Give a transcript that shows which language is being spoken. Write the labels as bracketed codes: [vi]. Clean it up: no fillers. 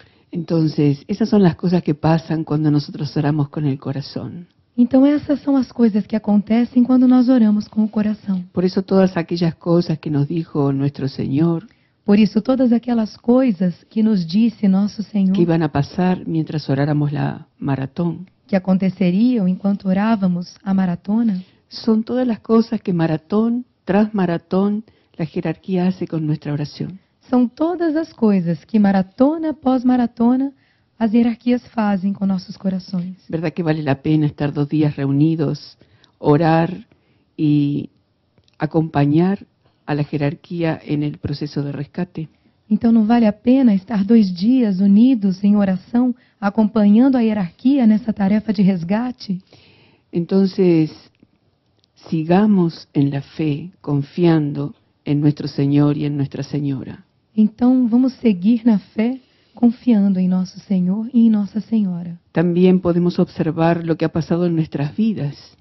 [pt] Então, essas são as coisas que passam quando nós oramos com o coração. Então essas são as coisas que acontecem quando nós oramos com o coração. Por isso todas aquelas coisas que nos [es] dijo nuestro Señor. [pt] Por isso todas aquelas coisas que nos disse nosso Senhor. [es] Que iban a pasar mientras oráramos la maratón. [pt] Que aconteceriam enquanto orávamos a maratona. [es] Son todas las cosas que maratón tras maratón la jerarquía hace con nuestra oración. [pt] São todas as coisas que maratona após maratona as hierarquias fazem com nossos corações. Verdade que vale a pena estar dois dias reunidos, orar e acompanhar [es] a la jerarquia en el proceso de rescate? [pt] Então não vale a pena estar dois dias unidos em oração, acompanhando a hierarquia nessa tarefa de resgate? [es] Entonces, sigamos en la fe, confiando en nuestro Señor y en nuestra Señora. Entonces, vamos a seguir en la fe, confiando en nuestro Señor y en nuestra Señora. También podemos observar lo que ha pasado en nuestras vidas.